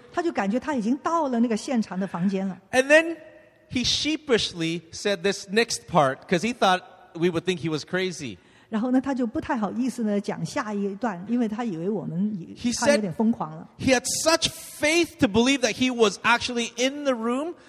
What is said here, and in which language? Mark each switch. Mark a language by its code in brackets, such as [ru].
[zh] 他就感觉他已经到了那个现场的房间了。 [en] And then he sheepishly said this next part because he thought we would think he was crazy. [zh] 然后呢，他就不太好意思呢讲下一段，因为他以为我们他有点疯狂了。 [en] He had such faith to believe that he was actually in the room.